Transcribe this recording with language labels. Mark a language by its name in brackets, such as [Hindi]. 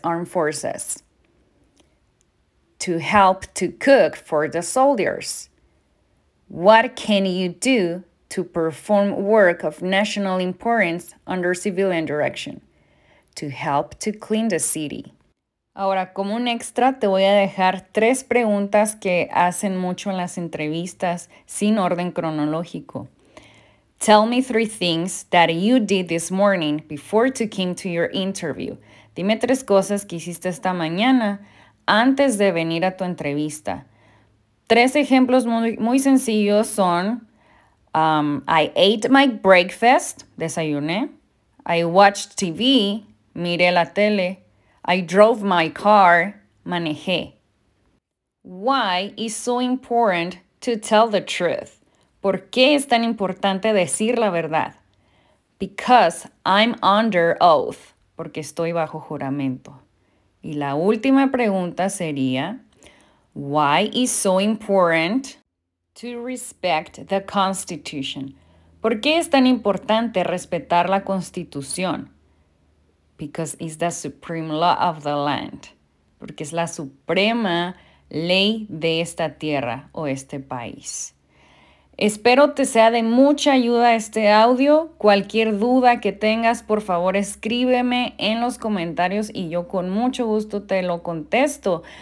[English] Armed Forces? To help to cook for the soldiers. What can you do to perform work of national importance under civilian direction, to help to clean the city. [Spanish] Ahora, como un extra, te voy a dejar tres preguntas que hacen mucho en las entrevistas sin orden cronológico. [English] Tell me three things that you did this morning before you came to your interview. [Spanish] Dime tres cosas que hiciste esta mañana antes de venir a tu entrevista. Tres ejemplos muy, muy sencillos son: [English] I ate my breakfast, [Spanish] desayuné. [English] I watched TV, [Spanish] miré la tele. [English] I drove my car, [Spanish] manejé. [English] Why is so important to tell the truth? [Spanish] ¿Por qué es tan importante decir la verdad? [English] Because I'm under oath, [Spanish] porque estoy bajo juramento. Y la última pregunta sería, [English] why is so important to respect the Constitution? [Spanish] ¿Por qué es tan importante respetar la Constitución? [English] Because it's the supreme law of the land. [Spanish] Porque es la suprema ley de esta tierra o este país. Espero te sea de mucha ayuda este audio. Cualquier duda que tengas, por favor, escríbeme en los comentarios y yo con mucho gusto te lo contesto.